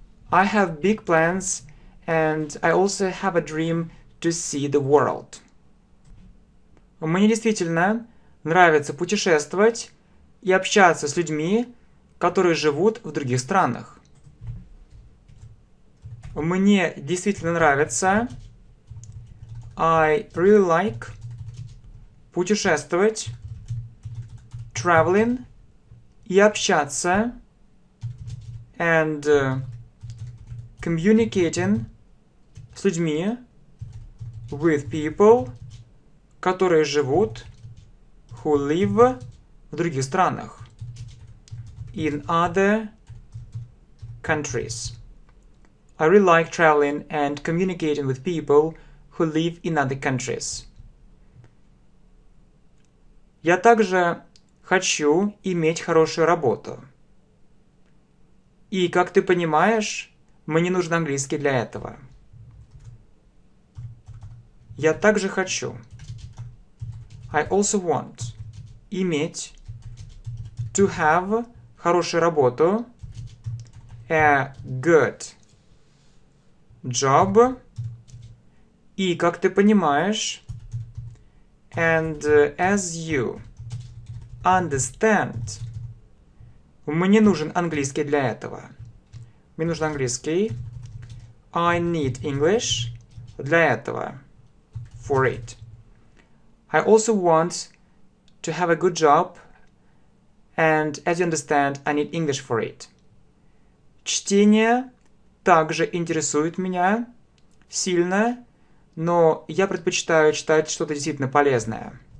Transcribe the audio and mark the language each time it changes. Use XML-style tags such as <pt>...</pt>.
<en>I have big plans, and I also have a dream to see the world.</en> <ru>Мне действительно нравится путешествовать и общаться с людьми, которые живут в других странах. Мне действительно нравится</ru> <en>I really like</en> <ru>путешествовать</ru> <en>traveling</en> <ru>и общаться</ru> <en>and communicating</en> <ru>с людьми</ru> <en>with people</en> <ru>которые живут,</ru> <en>who live,</en> <ru>в других странах,</ru> <en>in other countries. I really like traveling and communicating with people who live in other countries.</en> <ru>Я также хочу иметь хорошую работу. И, как ты понимаешь, мне нужен английский для этого. Я также хочу...</ru> <en>I also want</en> <ru>иметь</ru> <en>to have</en> <ru>хорошую работу</ru> <en>a good job</en> <ru>и, как ты понимаешь</ru> <en>and as you understand</en> <ru>мне нужен английский для этого. Мне нужен английский.</ru> <en>I need English</en> <ru>для этого.</ru> <en>For it. I also want to have a good job, and as you understand, I need English for it.</en> <ru>Чтение также интересует меня сильно, но я предпочитаю читать что-то действительно полезное.</ru>